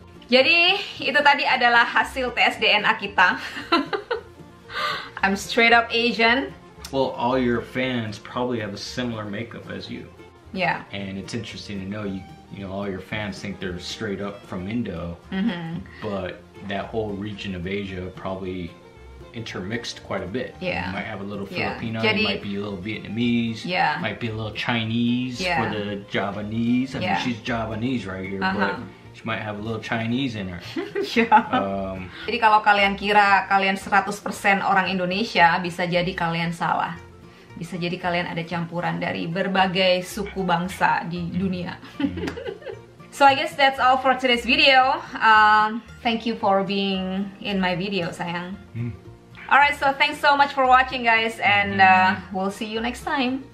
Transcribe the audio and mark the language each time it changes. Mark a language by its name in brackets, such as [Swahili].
[Indonesian] Jadi itu tadi adalah hasil tes DNA kita. [English] I'm straight up Asian. Well, all your fans probably have a similar makeup as you. Yeah. And it's interesting to know, you know, all your fans think they're straight up from Indo, but that whole region of Asia probably intermixed quite a bit. Yeah. You might have a little Filipino, you might be a little Vietnamese, might be a little Chinese for the Javanese. I mean, she's Javanese right here, but she might have a little Chinese in her. [Indonesian] Jadi kalau kalian kira kalian 100% orang Indonesia, bisa jadi kalian salah. Bisa jadi kalian ada campuran dari berbagai suku bangsa di dunia. [English] So I guess that's all for today's video. Thank you for being in my video, sayang. Alright, so thanks so much for watching, guys, and we'll see you next time.